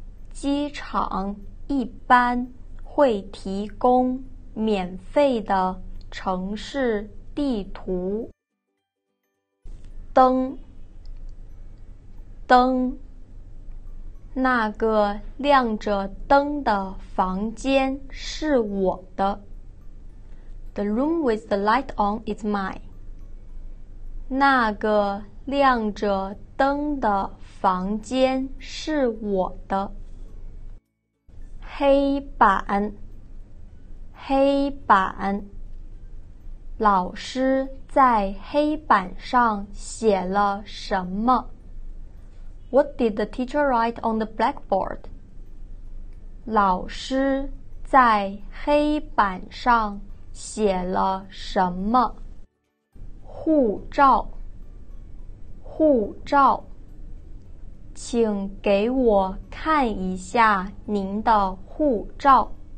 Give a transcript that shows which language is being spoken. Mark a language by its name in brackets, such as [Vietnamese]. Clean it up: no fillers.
[Chinese] 机场一般会提供免费的城市地图。灯，灯。那个亮着灯的房间是我的。 [English] The room with the light on is mine. [Chinese] 那个亮着灯的房间是我的。黑板，黑板。老师在黑板上写了什么？ [English] What did the teacher write on the blackboard? [Chinese] 老师在黑板上写了什么？护照，护照。请给我看一下您的护照。